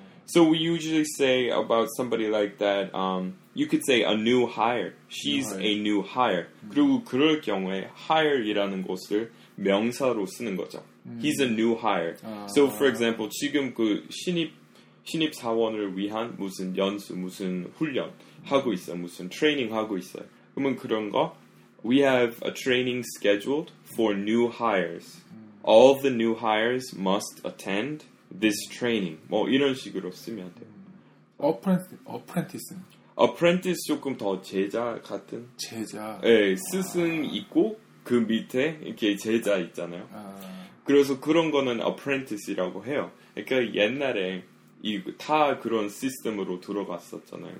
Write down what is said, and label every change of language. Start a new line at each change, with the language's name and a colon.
English: So we usually say about somebody like that, you could say a new hire. She's a new hire.
Korean: 그리고 그럴 경우에 hire이라는 것을 명사로 쓰는 거죠.
English: He's a new hire. So for example,
Korean: 지금 그 신입 사원을 위한 무슨 연수, 무슨 훈련 하고 있어, 무슨 트레이닝 하고 있어. 그러면 그런 거,
English: we have a training scheduled for new hires. All the new hires must attend this training.
Korean: 뭐 이런 식으로 쓰면 돼요. Apprentice는 Apprentice 조금 더 제자 같은. 제자. 예, 스승 있고 그 밑에 이렇게 제자 있잖아요. 그래서 그런 거는 Apprentice라고 해요. 그러니까 옛날에 이다 그런 시스템으로 들어갔었잖아요.